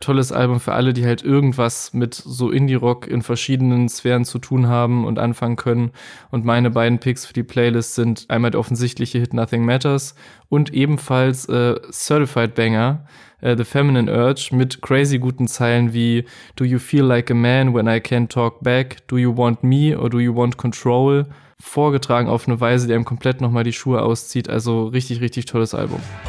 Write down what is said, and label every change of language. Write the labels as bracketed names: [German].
[German] Tolles Album für alle, die halt irgendwas mit so Indie-Rock in verschiedenen Sphären zu tun haben und anfangen können. Und meine beiden Picks für die Playlist sind einmal der offensichtliche Hit Nothing Matters und ebenfalls Certified Banger, The Feminine Urge, mit crazy guten Zeilen wie [English] Do you feel like a man when I can't talk back? Do you want me or do you want control? [German] Vorgetragen auf eine Weise, die einem komplett nochmal die Schuhe auszieht. Also richtig, richtig tolles Album.